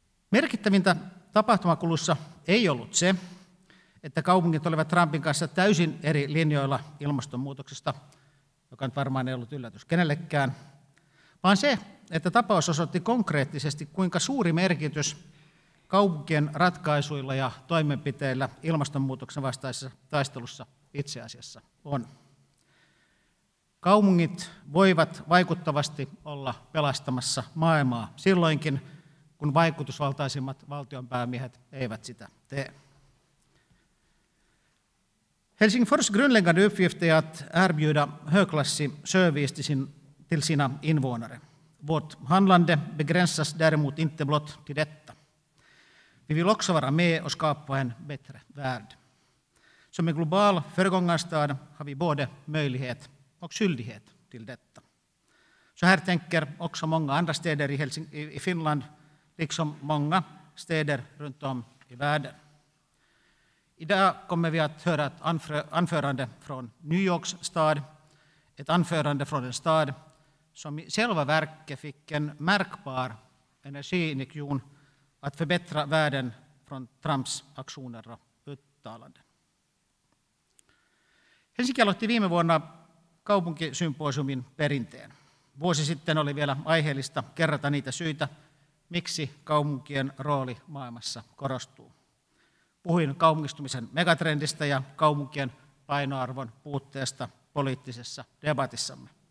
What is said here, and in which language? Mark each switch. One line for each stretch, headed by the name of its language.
Finnish: Merkittävintä tapahtumakulussa ei ollut se, että kaupungit olivat Trumpin kanssa täysin eri linjoilla ilmastonmuutoksesta, joka nyt varmaan ei ollut yllätys kenellekään, vaan se, että tapaus osoitti konkreettisesti, kuinka suuri merkitys kaupunkien ratkaisuilla ja toimenpiteillä ilmastonmuutoksen vastaisessa taistelussa itse asiassa on. Kaupungit voivat vaikuttavasti olla pelastamassa maailmaa silloinkin, kun vaikutusvaltaisimmat valtionpäämiehet eivät sitä tee.
Swedish: Helsingfors grundläggande uppgift är att erbjuda högklassig service till sina invånare. Vårt handlande begränsas däremot inte blott till detta. Vi vill också vara med och skapa en bättre värld. Som en global föregångarstad har vi både möjlighet och skyldighet till detta. Så här tänker också många andra städer i Finland, liksom många städer runt om i världen. Idag kommer vi att höra ett anförande från New Yorks stad, ett anförande från en stad som i själva verket fick en märkbar energiinjektion att förbättra världen från Trumps aktioner och uttalanden.
Finnish: Helsinki aloitti viime vuonna kaupunkisymposiumin perinteen. Vuosi sitten oli vielä aiheellista kerrata niitä syitä, miksi kaupunkien rooli maailmassa korostuu. Puhuin kaupungistumisen megatrendistä ja kaupunkien painoarvon puutteesta poliittisessa debatissamme.